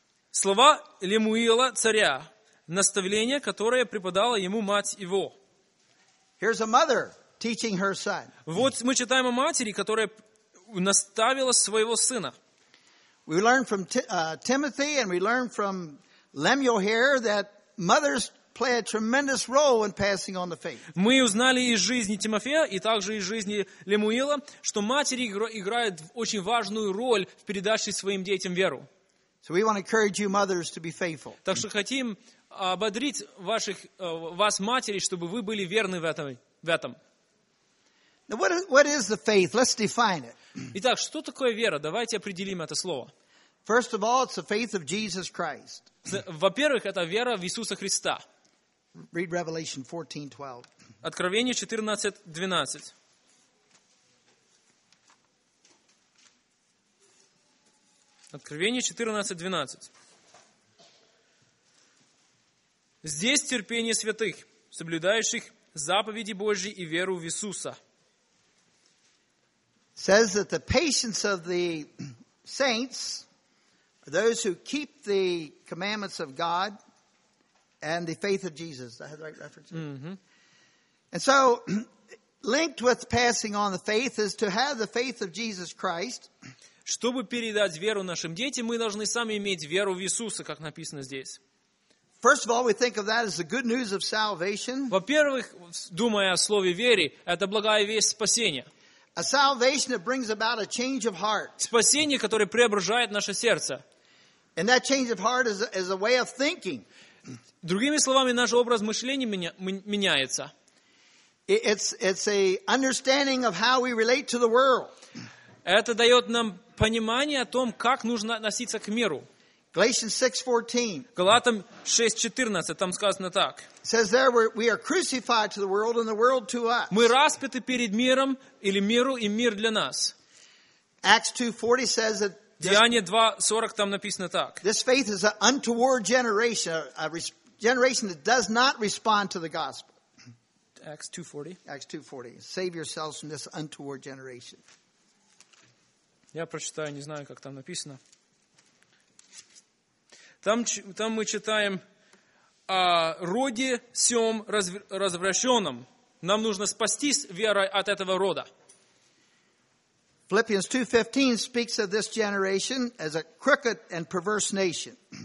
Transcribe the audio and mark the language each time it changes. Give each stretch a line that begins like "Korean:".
Russian: Слова Лемуила царя, наставление, которое преподала ему мать его.
English: Here's a mother teaching her son.
Russian: Вот мы читаем о матери, которая наставила своего сына.
English: We learn from Timothy and we learn from Lemuel here that mothers play a tremendous role in passing on the faith.
Russian: Мы узнали из жизни Тимофея и также из жизни Лемуила, что матери играют очень важную роль в передаче своим детям веру.
English: So we want to encourage you mothers to be faithful.
Russian: Так что хотим ободрить вас матери, чтобы вы были верны в этом.
English: Now what is the faith? Let's define it.
Russian: Итак, что такое вера? Давайте определим это слово.
English: First of all, it's the faith of Jesus Christ.
Russian: Во-первых, это вера в Иисуса Христа.
English: Read Revelation 14:12.
Russian: Откровение 14:12. Откровение 14:12. Здесь терпение святых, соблюдающих заповеди Божьи и веру в Иисуса.
English: Says that the patience of the saints, those who keep the commandments of God, and the faith of Jesus. Is that the right reference? Mm-hmm. And so, linked with passing on the faith is to have the faith of Jesus Christ.
Russian: Чтобы передать веру нашим детям, мы должны сами иметь веру в Иисуса, как написано здесь.
English: First of all, we think of that as the good news of salvation.
Russian: Во-первых, думая о слове веры, это благая весть спасения.
English: A salvation that brings about a change of heart.
Russian: Спасение, которое преображает наше сердце.
English: And that change of heart is a way of thinking.
Russian: Другими словами, наш образ мышления меняется.
English: It's a understanding of how we relate to the world.
Russian: Это дает нам понимание о том, как нужно относиться к миру. Галатам 6:14, там сказано так.
English: Says there we are crucified to the world and the world to us.
Russian: Мы распяты перед миром или миру и мир для нас.
English: Acts 2:40 says that.
Russian: Деяние 2:40 там написано так.
English: This faith is an untoward generation, a generation that does not respond to the gospel. Acts 2:40. Save yourselves from this untoward generation.
Russian: Я прочитаю, не знаю, как там написано. Там мы читаем о роде сём развращённом. Нам нужно спастись верой от этого рода.
English: Philippians 2:15 speaks of this generation as a crooked and perverse nation.